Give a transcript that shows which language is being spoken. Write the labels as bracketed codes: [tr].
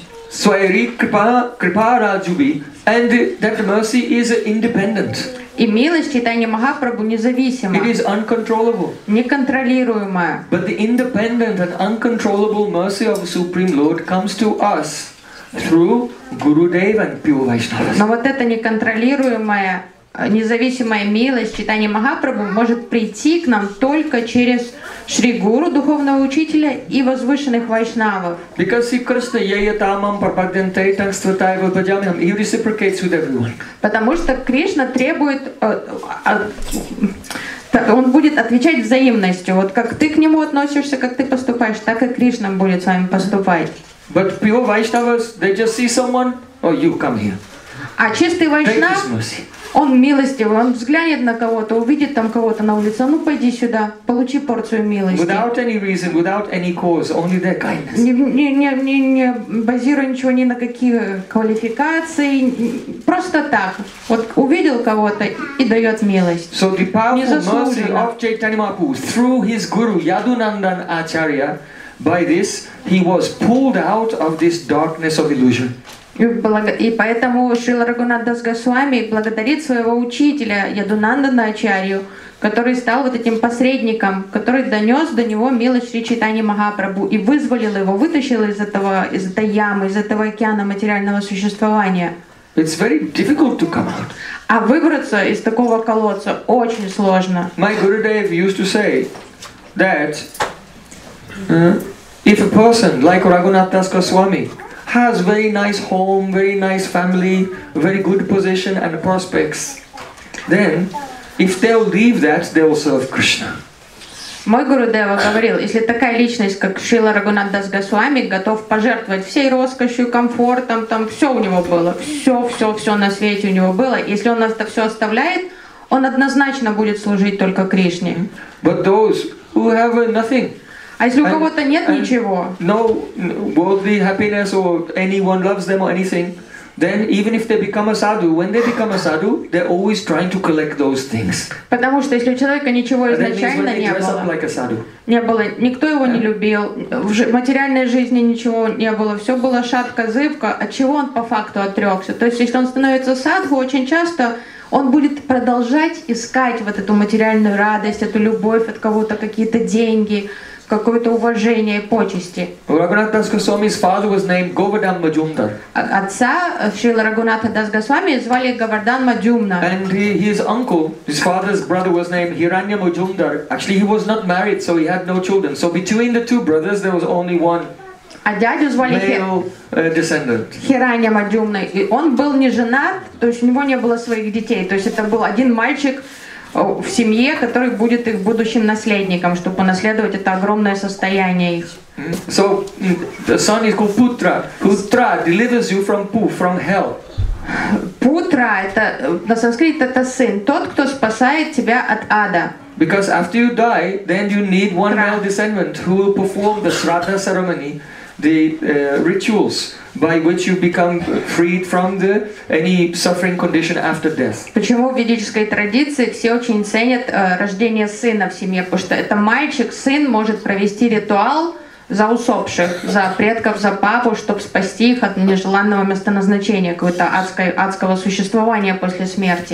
[sa] Свайри Крипа Раджуби, [en] and that mercy is independent. [ru] И милость Чайтаньи Махапрабху независима. [en] It is uncontrollable. [ru] Неконтролируемая. [en] But the independent and uncontrollable mercy of the Supreme Lord comes to us through Gurudev and pure Vaishnavas. [ru] Но вот эта неконтролируемая, независимая милость Чайтаньи Махапрабху может прийти к нам только через Шри Гуру, духовного учителя и возвышенных вайшнавов. [en] Because see, [sa] Krishna yayatamam prapadyante tanstvatayva bhajamyam. [en] He reciprocates with everyone. [ru] Потому что Кришна требует, он будет отвечать взаимностью. Вот как ты к нему относишься, как ты поступаешь, так и Кришна будет с вами поступать. [en] But pure vaishnavas, they just see someone, or you come here. [ru] А чистый вайшнав, он милостивый, он взглянет на кого-то, увидит там кого-то на улице, ну пойди сюда, получи порцию милости. [en] Without any reason, without any cause, only their kindness. [ru] Не базируя ничего ни на какие квалификации, просто так. Вот увидел кого-то и дает милость. [en] So the powerful mercy of Chaitanya Mahaprabhu through his guru Yadunandan Acharya, by this he was pulled out of this darkness of illusion. [ru] И поэтому Шрила Рагхунат Дас Госвами благодарит своего учителя Ядунандана Ачарью, который стал вот этим посредником, который донес до него милость Шри Чайтаньи Махапрабху и вызволил его, вытащил из этой ямы, из этого океана материального существования. [en] It's very difficult to come out. [ru] А выбраться из такого колодца очень сложно. [en] My Gurudev used to say that if a person like Рагхунат Дас Госвами has very nice home, very nice family, very good position and prospects, then if they'll leave that, they'll serve Krishna. [ru] Мой Гурудева говорил, если такая личность, как Шрила Рагхунат Дас Госвами, готов пожертвовать всей роскошью, комфортом, там все у него было, все на свете у него было, если он это все оставляет, он однозначно будет служить только Кришне. [en] But those who have nothing. [ru] А если у кого-то нет ничего? [en] No worldly happiness or anyone loves them or anything, then even if they become a sadhu, when they become a sadhu, they're always trying to collect those things. [ru] Потому что если у человека ничего изначально не было, [en] like a sadhu. [ru] Не было, никто его не любил, в материальной жизни ничего не было, все было шатко, зыбко, от чего он по факту отрекся? То есть если он становится садху, очень часто он будет продолжать искать вот эту материальную радость, эту любовь от кого-то, какие-то деньги, какое-то уважение и почести. [en] Raghunath Das Goswami's father was named Govardhan Majumdar. [ru] Отца Шрила Рагхунатха Дас Госвами звали Говардан Маджумна. [en] And his uncle, his father's brother, was named Hiranya Majumdar. Actually, he was not married, so he had no children. So between the two brothers, there was only one. [ru] А дядю звали Хиранья Маджумна, и он был не женат, то есть у него не было своих детей, то есть это был один мальчик в семье, который будет их будущим наследником, чтобы унаследовать это огромное состояние их. [en] So the son is called Putra. Putra delivers you from poo, from hell. [ru] Putra это на санскрите это сын, тот, кто спасает тебя от ада. [en] Because after you die, then you need one male descendant who will perform the Shraddha ceremony, the rituals by which you become freed from the any suffering condition after death. [ru] Почему в ведической традиции все очень ценят рождение сына в семье? Потому что это мальчик, сын может провести ритуал за усопших, за предков, за папу, чтобы спасти их от нежеланного места назначения, какого-то адского существования после смерти.